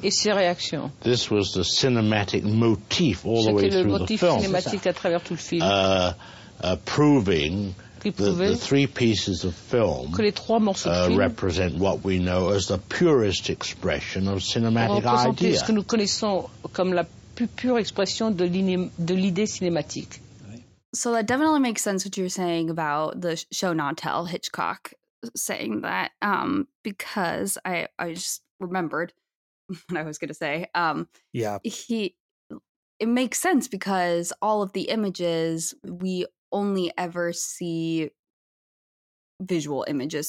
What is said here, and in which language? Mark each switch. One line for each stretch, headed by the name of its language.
French: Et ses réactions.
English: This was the cinematic motif all the way through the film.
French: Cinématique à travers tout le film.
English: Proving the three pieces of film
French: que les trois morceaux de film
English: represent what we know as the purest expression of cinematic idea.
French: Ce que nous connaissons comme la plus pure expression de l'idée cinématique.
English: So that definitely makes sense what you're saying about the show not tell, Hitchcock saying that, because I just remembered what I was going to say. It makes sense because all of the images, we only ever see visual images.